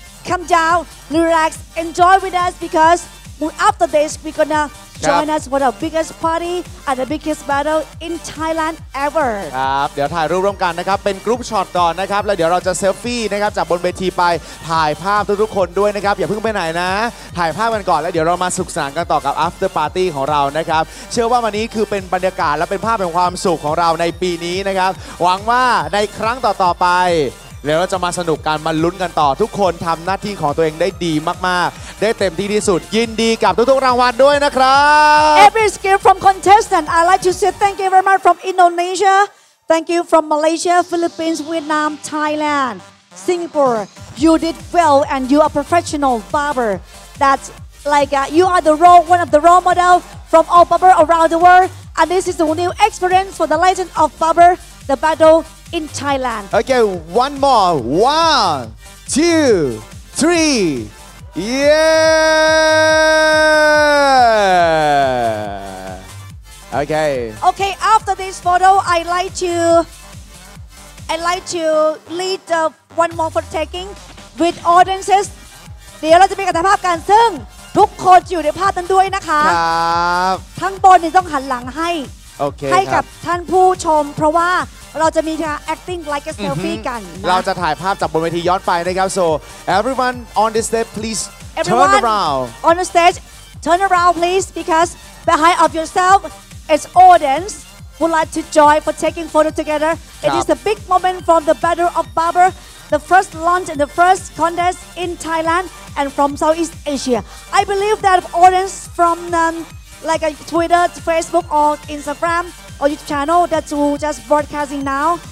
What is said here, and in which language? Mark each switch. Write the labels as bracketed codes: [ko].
[en] Come down, relax, enjoy with us because after this, we're gonna join us for the biggest party and the biggest battle in Thailand ever. [th] ครับเดี๋ยวถ่ายรูปร่วมกันนะครับเป็นกรุ๊ปช็อตก่อนนะครับแล้วเดี๋ยวเราจะเซลฟี่นะครับจากบนเวทีไปถ่ายภาพทุกๆคนด้วยนะครับอย่าเพิ่งไปไหนนะถ่ายภาพกันก่อนแล้วเดี๋ยวเรามาสุขสันต์กันต่อกับ After Party ของเรานะครับเชื่อว่าวันนี้คือเป็นบรรยากาศและเป็นภาพแห่งความสุขของเราในปีนี้นะครับหวังว่าในครั้งต่อๆไปเดี๋ยวเราจะมาสนุกกันมาลุ้นกันต่อทุกคนทำหน้าที่ของตัวเองได้ดีมากๆได้เต็มที่ที่สุดยินดีกับทุกๆรางวัลด้วยนะครับ [en] Every skill from contestant I like to say thank you very much from Indonesia thank you from Malaysia Philippines Vietnam Thailand Singapore you did well and you are professional barber that's like you are the role one of the role model from all barber around the world and this is the new experience for the legend of barber the battleIn Thailand. Okay, one more. One, two, three. Yeah. Okay. Okay. After this photo, I'd like to lead the one more photo taking with audiences. [th] เดี๋ยวเราจะมีการถ่ายภาพกันซึ่งทุกคนอยู่ในภาพนั้นด้วยนะคะ ครับ ทั้งบนนี่ต้องหันหลังให้โอเค ให้กับท่านผู้ชมเพราะว่าเราจะมีการ [en] acting like a selfie [th] กัน เราจะถ่ายภาพจากบนเวทีย้อนไปนะครับ [en] so everyone on the stage please everyone turn around on the stage turn around please because behind of yourself is audience who like to join for taking photo together it is the big moment from the battle of barber the first launch and the first contest in Thailand and from Southeast Asia I believe that audience from like a Twitter Facebook or InstagramOr YouTube channel that you just broadcasting now.